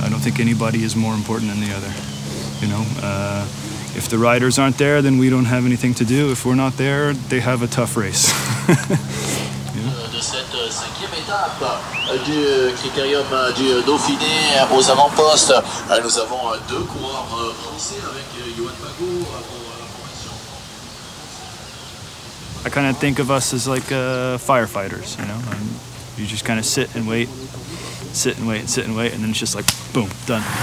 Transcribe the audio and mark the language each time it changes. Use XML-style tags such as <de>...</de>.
<en>I don't think anybody is more important than the other. You know, if the riders aren't there, then we don't have anything to do. If we're not there, they have a tough race.</en> <fr>De cette cinquième étape du critérium du Dauphiné aux avant-postes, nous avons deux coureurs français avec Johan Bagou.</fr> <en>I kind of think of us as like firefighters, you know. And you just kind of sit and wait, and then it's just like, boom, done.</en>